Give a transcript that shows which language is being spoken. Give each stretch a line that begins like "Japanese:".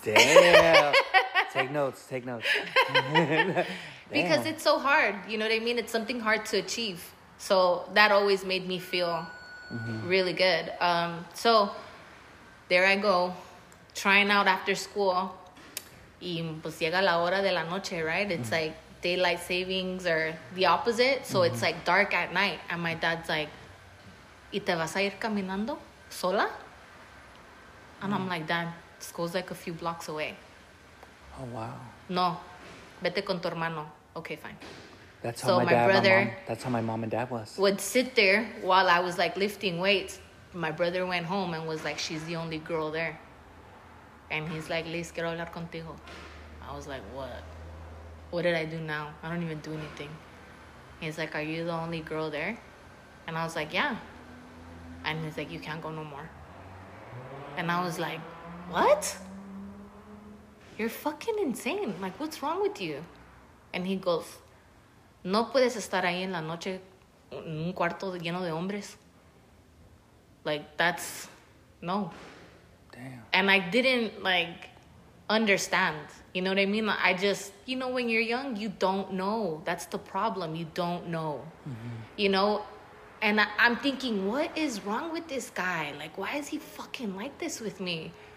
English: Damn. Take notes. Because it's so hard. You know what I mean? It's something hard to achieve. So that always made me feel really good. So there I go, trying out after school.
Spanish: Y pues llega la hora de la noche,
English: right? It's like daylight savings or the opposite. So it's like dark at night. And my dad's like,
Spanish: ¿y te vas a ir caminando sola?
English: And I'm like, Dad, school's like a few blocks away. Oh, wow.
Spanish: No, vete con tu hermano.
English: Okay, fine. That's how my mom and dad would sit there while I was like lifting weights. My brother went home and was like, she's the only girl there. And he's like, Liz,
Spanish: quiero hablar contigo.
English: I was like, what? What did I do now? I don't even do anything. He's like, are you the only girl there? And I was like, yeah. And he's like, you can't go no more. And I was like, what? You're fucking insane. Like, what's wrong with you? And he goes,
Spanish: no puedes estar ahí en la noche en un cuarto lleno de hombres.
English: Like, that's, no. Damn. And I didn't, like, understand. You know what I mean? Like, I just, you know, when you're young, you don't know. That's the problem. You don't know. Mm-hmm. You know? And I'm thinking, what is wrong with this guy? Like, why is he fucking like this with me?